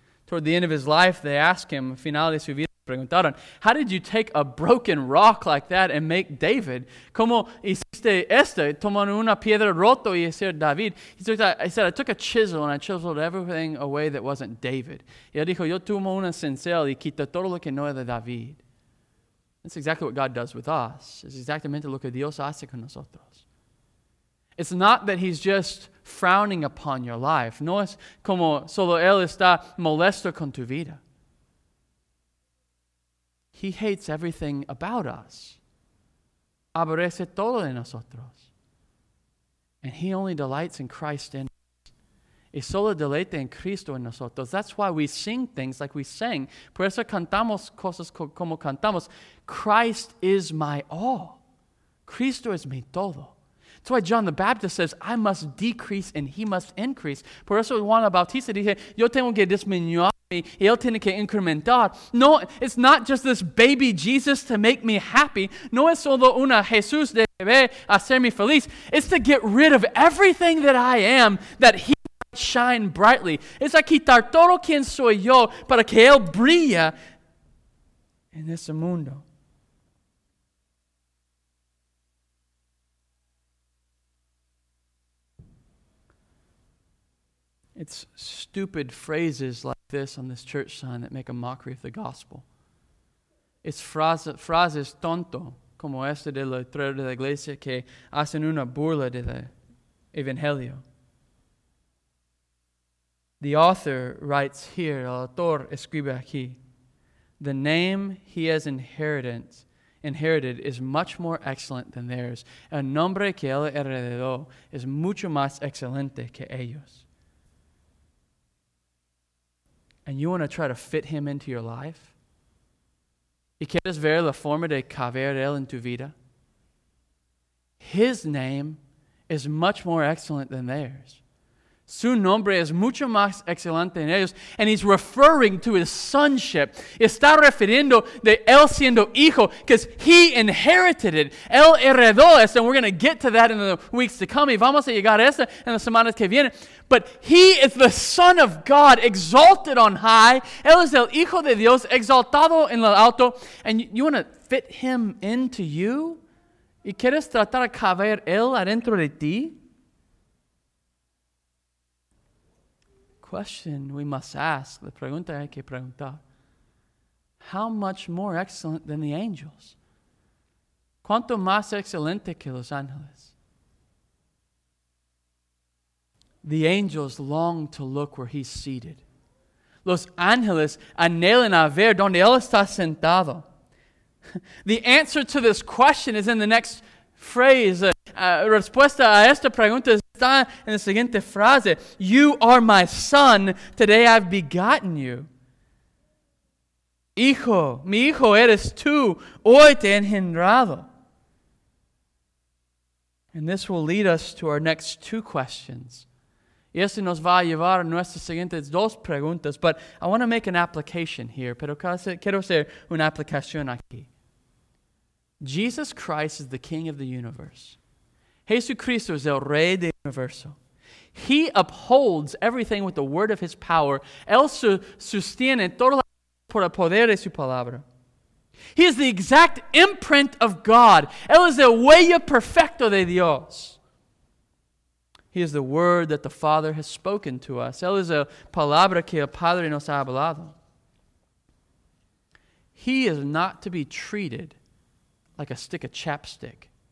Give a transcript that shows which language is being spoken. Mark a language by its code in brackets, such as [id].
[en] Toward the end of his life, they asked him, [es] final de su vida, preguntaron, [en] how did you take a broken rock like that and make David? [es] ¿Cómo hiciste esto? Tomar una piedra rota y hacer David. [en] He said, I took a chisel and I chiseled everything away that wasn't David. [es] Y él dijo, yo tomo una cincel y quito todo lo que no era David. [en] That's exactly what God does with us. [es] Es exactamente lo que Dios hace con nosotros. [en] It's not that he's just frowning upon your life. [es] No es como solo él está molesto con tu vida. [en] He hates everything about us. [es] Aborrece todo de nosotros. [en] And he only delights in Christ in us. [es] Y solo deleita en Cristo en nosotros. [en] That's why we sing things like we sang. [es] Por eso cantamos cosas como cantamos. [en] Christ is my all. [es] Cristo es mi todo. [en] That's why John the Baptist says, I must decrease and he must increase. [es] Por eso Juan Bautista dice, yo tengo que disminuir. Y él tiene que incrementar. [en] No, it's not just this baby Jesus to make me happy. [es] No es solo una Jesús de bebé hacerme feliz. [en] It's to get rid of everything that I am that he might shine brightly. [es] Es a quitar todo quien soy yo para que él brille en ese mundo. [en] It's stupid phrases like this on this church sign that make a mockery of the gospel. [es] It's frases tonto, como este de la iglesia que hacen una burla de la Evangelio. [en] The author writes here, [es] el autor escribe aquí, [en] the name he has inherited is much more excellent than theirs. [es] El nombre que él heredó es mucho más excelente que ellos. [en] And you want to try to fit him into your life? [es] ¿Y quieres ver la forma de caber él en tu vida? [en] His name is much more excellent than theirs. [es] Su nombre es mucho más excelente en ellos. [en] And he's referring to his sonship. [es] Está refiriendo de él siendo hijo [en] because he inherited it. [es] Él heredó eso. [en] And we're going to get to that in the weeks to come. [es] Y vamos a llegar a eso en las semanas que vienen. [en] But he is the Son of God, exalted on high. [es] Él es el hijo de Dios, exaltado en lo alto. [en] And you want to fit him into you? [es] ¿Y quieres tratar a caber él adentro de ti? [en] Question we must ask, [es] la pregunta hay que preguntar, [en] how much more excellent than the angels? [es] ¿Cuánto más excelente que los ángeles? [en] The angels long to look where he's seated. [es] Los ángeles anhelan a ver donde él está sentado. [en] The answer to this question is in the next phrase. [es] Respuesta a esta pregunta está en la siguiente frase. [en] You are my son. Today I've begotten you. [es] Hijo, mi hijo eres tú. Hoy te he engendrado. [en] And this will lead us to our next two questions. [es] Y esto nos va a llevar a nuestras siguientes dos preguntas. [en] But I want to make an application here. [es] Pero quiero hacer una aplicación aquí. [en] Jesus Christ is the King of the universe. [es] Jesucristo es el Rey del Universo. [en] He upholds everything with the word of his power. [es] Él sostiene todo por el poder de su palabra. [en] He is the exact imprint of God. [es] Él es el huella perfecto de Dios. [en] He is the word that the Father has spoken to us. [es] Él es la palabra que el Padre nos ha hablado. [en] He is not to be treated like a stick of chapstick.